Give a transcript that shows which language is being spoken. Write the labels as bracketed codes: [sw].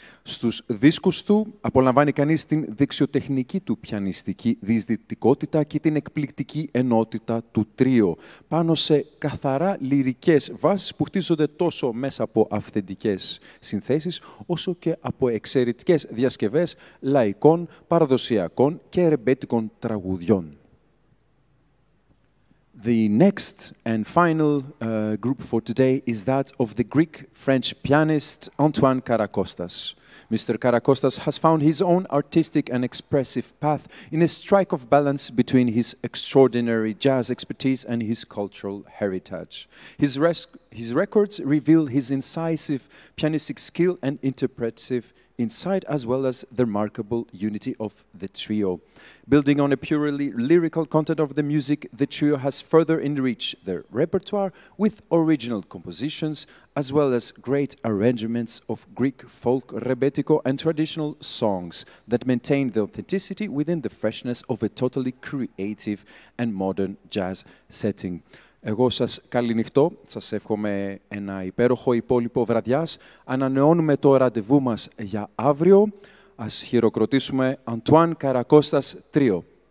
[el] Στους δίσκους του απολαμβάνει κανείς την δεξιοτεχνική του πιανιστική διεισδυτικότητα και την εκπληκτική ενότητα του τρίο, πάνω σε καθαρά λυρικές βάσεις που χτίζονται τόσο μέσα από αυθεντικές συνθέσεις, όσο και από εξαιρετικές διασκευές λαϊκών, παραδοσιακών και ρεμπέτικων τραγουδιών. [en] The next and final group for today is that of the Greek-French pianist Antoine Karacostas. Mr. Karacostas has found his own artistic and expressive path in a strike of balance between his extraordinary jazz expertise and his cultural heritage. His records reveal his incisive pianistic skill and interpretive insight, as well as the remarkable unity of the trio. Building on a purely lyrical content of the music, the trio has further enriched their repertoire with original compositions, as well as great arrangements of Greek folk, rebetiko, and traditional songs that maintain the authenticity within the freshness of a totally creative and modern jazz setting. [el] Εγώ σας καληνυχτώ, σας εύχομαι ένα υπέροχο υπόλοιπο βραδιάς. Ανανεώνουμε το ραντεβού μας για αύριο. Ας χειροκροτήσουμε Αντουάν Καρακόστας Τρίο.